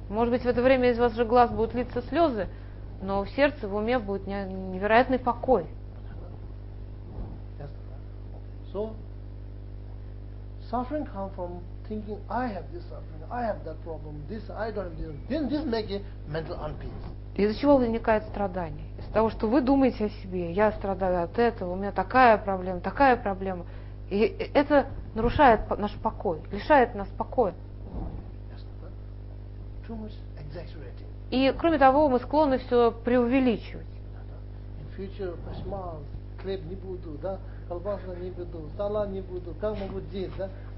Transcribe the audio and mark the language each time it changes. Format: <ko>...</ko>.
<ru>Может быть, в это время из ваших глаз будут литься слезы, но в сердце, в уме будет невероятный покой.</ru> <en>So, suffering comes from thinking I have this suffering, I have that problem, this I don't have this. Then this makes mental unpeace.</en> <ru>Из-за чего возникает страдание? Из-за того, что вы думаете о себе, я страдаю от этого, у меня такая проблема, и это нарушает наш покой, лишает нас покоя.</ru> <en>Yes, too much exaggerating.</en> <ru>И кроме того, мы склонны все преувеличивать.</ru> <en>In future, smile,</en> <ru>хлеб не буду, да, колбаса не буду, салат не буду, как могу день, да?</ru>